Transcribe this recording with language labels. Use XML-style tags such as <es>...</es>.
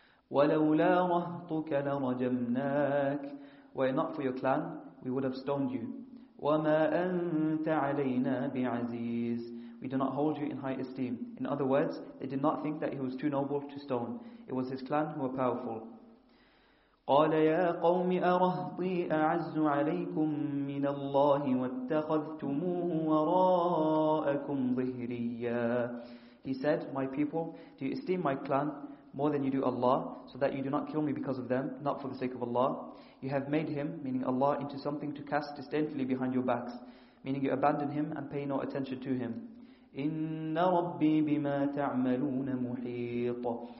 <ar>وَلَوْلَا رَهْطُكَ لَرَجَمْنَاكَ</ar> <en>Were it not for your clan, we would have stoned you.</en> <ar>وَمَا أَنْتَ عَلَيْنَا بِعَزِيزٍ</ar> <en>We do not hold you in high esteem. In other words, they did not think that he was too noble to stone. It was his clan who were powerful.</en> <ar>قال يا قوم أرهطي أعز عليكم من الله واتخذتموه وراءكم ظهريا.</ar> <en>He said, my people, do you esteem my clan more than you do Allah, so that you do not kill me because of them, not for the sake of Allah? You have made him, meaning Allah, into something to cast disdainfully behind your backs, meaning you abandon him and pay no attention to him.</en> <ar>إِنَّ رَبِّي بِمَا تَعْمَلُونَ مُحِيطٌ.</ar>